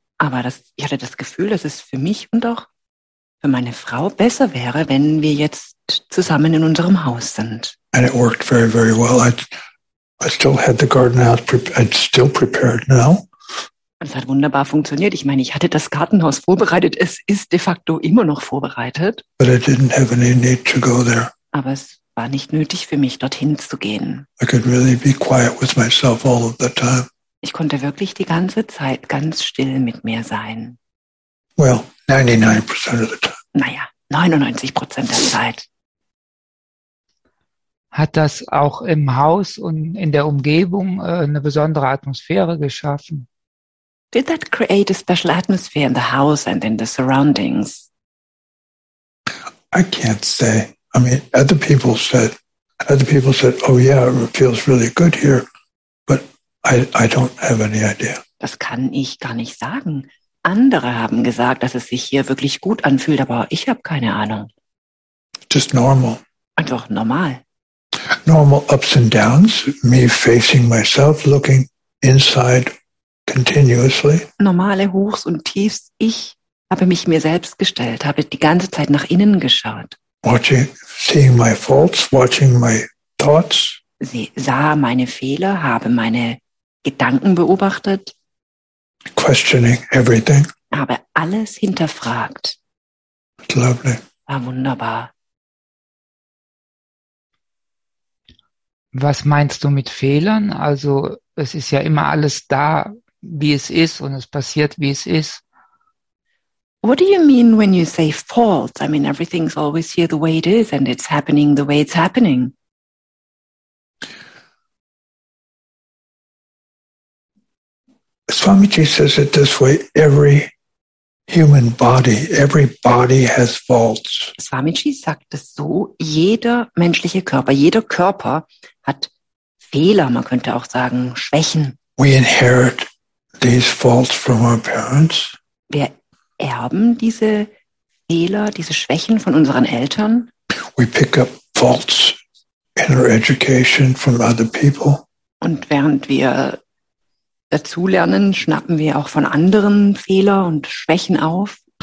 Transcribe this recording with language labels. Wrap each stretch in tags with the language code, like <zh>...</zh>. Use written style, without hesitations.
<de>Aber ich hatte das Gefühl, dass es für mich und auch für meine Frau besser wäre, wenn wir jetzt zusammen in unserem Haus sind.</de> <en>And it worked very, very well. I still had the garden house prepared. I'm still prepared now.</en> <de>Es hat wunderbar funktioniert. Ich meine, ich hatte das Gartenhaus vorbereitet. Es ist de facto immer noch vorbereitet.</de> <en>But I didn't have any need to go there.</en> <de>Aber es war nicht nötig für mich, dorthin zu gehen.</de> <en>I could really be quiet with myself all of the time.</en> <de>Ich konnte wirklich die ganze Zeit ganz still mit mir sein.</de> <en>Well, 99% of the time.</en> <de>Naja, 99% der Zeit. Hat das auch im Haus und in der Umgebung eine besondere Atmosphäre geschaffen?</de> <en>Did that create a special atmosphere in the house and in the surroundings? I can't say. I mean, other people said, oh yeah, it feels really good here. I don't have any idea.</en> <de>Das kann ich gar nicht sagen. Andere haben gesagt, dass es sich hier wirklich gut anfühlt, aber ich habe keine Ahnung.</de> <en>Just normal.</en> <de>Einfach normal.</de> <en>Normal ups and downs, me facing myself, looking inside continuously.</en> <de>Normale Hochs und Tiefs. Ich habe mich mir selbst gestellt, habe die ganze Zeit nach innen geschaut.</de> <en>Watching, seeing my faults, watching my thoughts.</en> <de>Sie sah meine Fehler, habe meine Gedanken beobachtet.</de> <en>Questioning everything.</en> <de>Habe alles hinterfragt.</de> <en>Lovely.</en> <de>War wunderbar. Was meinst du mit Fehlern? Also, es ist ja immer alles da, wie es ist, und es passiert, wie es ist.</de> <en>What do you mean when you say fault? I mean, everything's always here the way it is, and it's happening the way it's happening. Swamiji says it this way, every human body, every body has faults.</en> <de>Swamiji sagt es so, jeder menschliche Körper, jeder Körper hat Fehler, man könnte auch sagen Schwächen.</de> <en>We inherit these faults from our parents.</en> <de>Wir erben diese Fehler, diese Schwächen von unseren Eltern.</de> <en>We pick up faults in our education from other people.</en> <de>Und während wir dazu lernen, schnappen wir auch von anderen Fehler und Schwächen auf.</de>